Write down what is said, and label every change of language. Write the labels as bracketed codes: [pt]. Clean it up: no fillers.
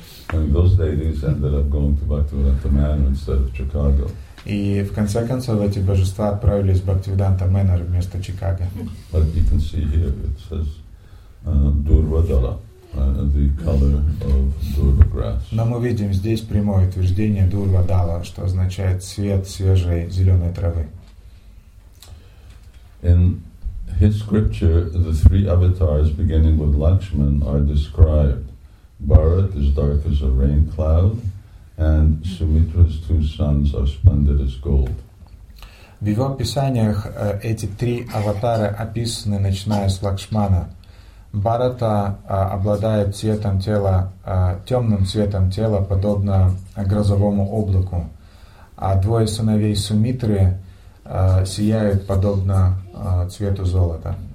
[en] And those deities ended up going to Bhaktivedanta Manor instead of Chicago. [ru] И в конце концов эти божества отправились в Бхактивиданта Мэннер вместо Чикаго. [en] But you can see here it says Durvadala, the color of Durva grass. [ru] Но мы видим здесь прямое утверждение Durvadala, что означает цвет свежей зеленой травы. [en] In his scripture, the three avatars beginning with Lakshman are described. Bharat is dark as a rain cloud, and Sumitra's two sons are splendid as gold. [ru] В его описаниях эти три аватара описаны, начиная с Лакшмана. Бхарата обладает цветом тела, темным цветом тела, подобно грозовому облаку. А двое сыновей Сумитры сияют подобно цвету золота.